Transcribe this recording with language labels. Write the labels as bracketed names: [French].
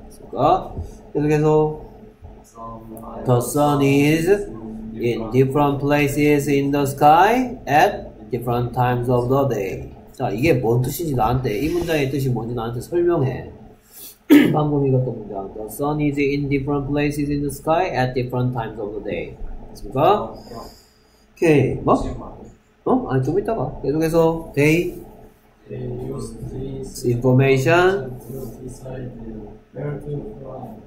[Korean] 그러니까 계속해서 [English] the sun is in different places in the sky at different times of the day. [Korean] 자, 이게 뭔 뜻인지 나한테, 이 문장의 뜻이 뭔지 나한테 설명해. 방금 읽었던 문장. [English] The sun is in different places in the sky at different times of the day. [Korean] 됐습니까? 오케이. 뭐? 어? 아니, 좀 이따가. 계속해서. [English] They use this information to decide where to fly.